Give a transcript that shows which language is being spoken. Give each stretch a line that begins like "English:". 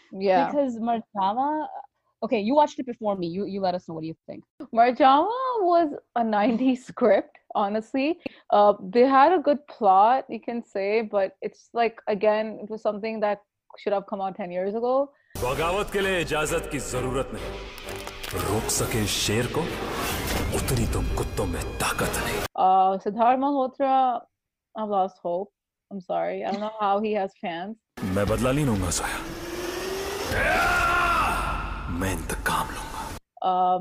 English: Yeah. Because Marjama, okay, you watched it before me. You let us know. What do you think? Marjama was a 90s script. Honestly, they had a good plot, you can say, but it's like, again, it was something that should have come out 10 years ago.
Hindi: बगावत के लिए इजाजत की जरूरत नहीं, रोक सके शेर को उतनी तो कुत्तों में ताकत नहीं.
English: Siddharth Malhotra, I've lost hope. I'm sorry. I don't know how he has fans.
Hindi: मैं बदला नहीं लूंगा सोया. मैं इंतकाम लूंगा.